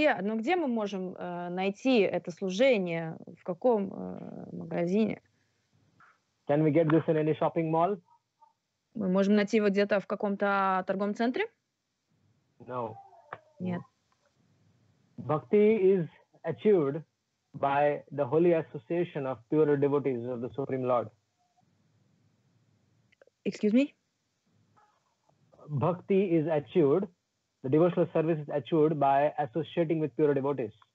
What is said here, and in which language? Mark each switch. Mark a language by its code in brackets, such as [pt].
[ru] Где мы можем найти это служение? В каком магазине? [en] Can we get this in any shopping mall? [ru] Мы можем найти его где-то в каком-то торговом центре? [en] No. [ru] Нет. [en] Bhakti is achieved by the holy association of pure devotees of the Supreme Lord. Excuse me? Bhakti is achieved The devotional service is achieved by associating with pure devotees.